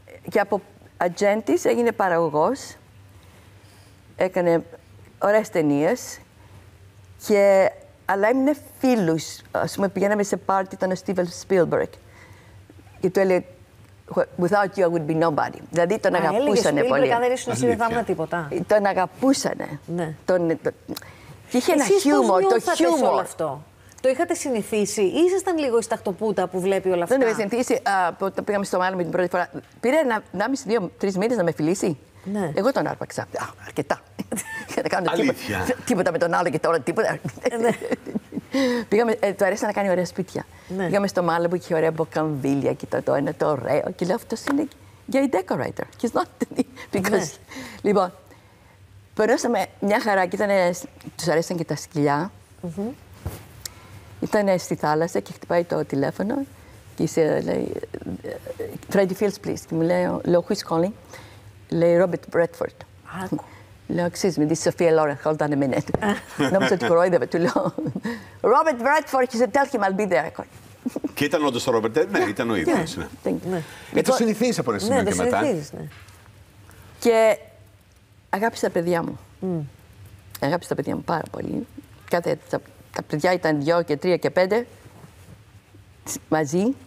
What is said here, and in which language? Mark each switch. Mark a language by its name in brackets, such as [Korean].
[Greek] Και από ατζέντη έγινε παραγωγό. Έκανε ωραίες ταινίες. Και. Αλλά έμεινε φίλους. Ας πούμε, πηγαίναμε σε πάρτι, ήταν ο Steven Spielberg. Και του έλεγε, [English] without you, I would be nobody. [Greek] Δηλαδή, τον αγαπούσανε πολύ. Έλεγε, Spielberg, αν δεν ήσουν εσύ, δεν θα τίποτα. Τον αγαπούσανε. Ναι. Και είχε ένα χιούμορ, το χιούμορ. Όλο αυτό. Το είχατε συνηθίσει ή ήσασταν λίγο η σταχτοπούτα που βλέπει όλα αυτά. Δεν το είχα συνηθίσει. Από όταν πήγαμε στο Μάλλον την πρώτη φορά, πήρε 1,5-2-3 μήνες να με φιλήσει. Ναι. Εγώ τον άρπαξα. Α, αρκετά. Για να κάνω τίποτα με τον άλλο και τώρα τίποτα. Ναι. Πήγαμε, του αρέσει να κάνει ωραία σπίτια. Ναι. Πήγαμε στο Μάλλο που είχε ωραία μποκαμβίλια και το ένα το ωραίο. Και λέω, αυτός είναι [English] gay decorator. He's not. Because... [Greek] Ναι. Λοιπόν, περνούσαμε μια χαρά και ήταν, τους αρέσαν και τα σκυλιά. Mm-hmm. Ήταν στη θάλασσα και χτυπάει το τηλέφωνο. Και είσαι, λέει, Freddie Fields, please. Και μου λέει, λέω, [English] who's calling? [Greek] Λέει, Robert Bradford. Λέω, αξίζει, με τη Σοφία Λόρεν, [English] hold on a minute. [Greek] Νόμιζα ότι κοροϊδεύε, του λέω, [English] Robert Bradford, he said, tell him I'll be there. [Greek] Και ήταν όντως ο Robert, ναι, ήταν ο ίδιος. Ναι, το συνηθίζεις από ένα σημείο και μετά. Ναι, το συνηθίζεις, ναι. Και αγάπησα τα παιδιά μου. Αγάπησα τα παιδιά μου πάρα πολύ. Κάθε, τα παιδιά ήταν 2, 3 και 5, μαζί.